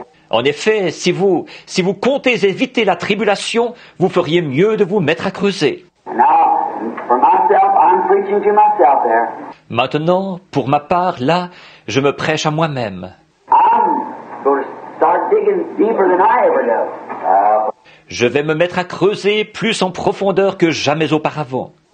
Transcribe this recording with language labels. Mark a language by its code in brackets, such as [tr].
[fr] En effet, si vous comptez éviter la tribulation, vous feriez mieux de vous mettre à creuser. [en] Now, for myself, I'm preaching to myself there. [fr] Maintenant, pour ma part, là, je me prêche à moi-même. [en] I'm going to start digging deeper than I ever know. [fr] Je vais me mettre à creuser plus en profondeur que jamais auparavant.